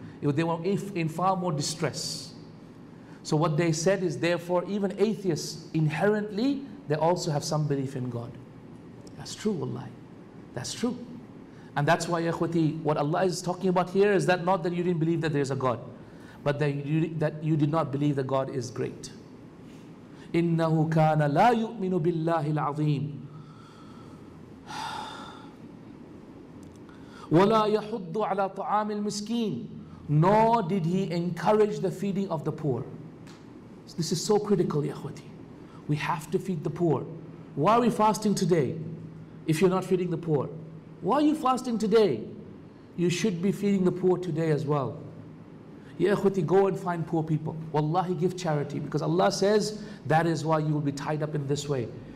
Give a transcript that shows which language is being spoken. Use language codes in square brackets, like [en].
[en] They were in far more distress. So what they said is, therefore, even atheists, inherently, they also have some belief in God. That's true, wallahi. That's true. And that's why, Ikhwati, what Allah is talking about here is that not that you didn't believe that there is a God, but that you did not believe that God is great. [ar] إِنَّهُ كَانَ لَا يُؤْمِنُ بِاللَّهِ الْعَظِيمِ وَلَا يَحُدُّ عَلَىٰ طَعَامِ الْمِسْكِينِ [en] Nor did he encourage the feeding of the poor. So this is so critical, Ikhwati. We have to feed the poor. Why are we fasting today if you're not feeding the poor? Why are you fasting today? You should be feeding the poor today as well. Ya Ikhwati, go and find poor people. Wallahi, give charity. Because Allah says, that is why you will be tied up in this way.